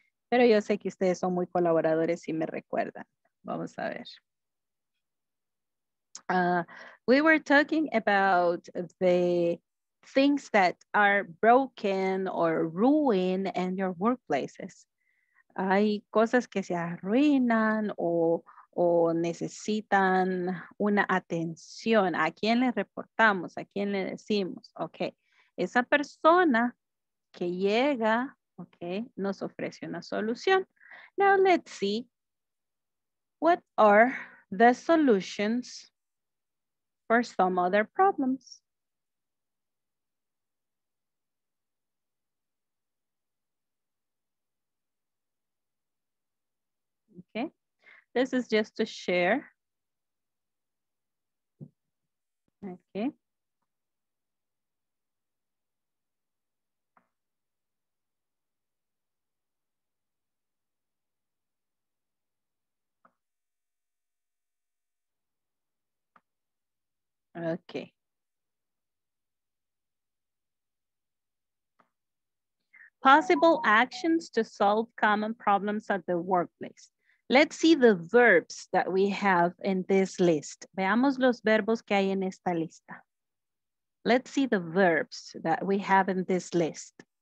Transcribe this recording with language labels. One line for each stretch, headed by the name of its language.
Spanish: Pero yo sé que ustedes son muy colaboradores y me recuerdan. Vamos a ver.
English: We were talking about the things that are broken or ruined in your workplaces.
Spanish: Hay cosas que se arruinan o necesitan una atención. ¿A quién le reportamos? ¿A quién le decimos? Okay. Esa persona que llega, okay, nos ofrece una solución.
English: Now let's see. What are the solutions for some other problems? This is just to share. Okay. Okay. Possible actions to solve common problems at the workplace. Let's see the verbs that we have in this list.
Spanish: Veamos los verbos que hay en esta lista.
English: Let's see the verbs that we have in this list.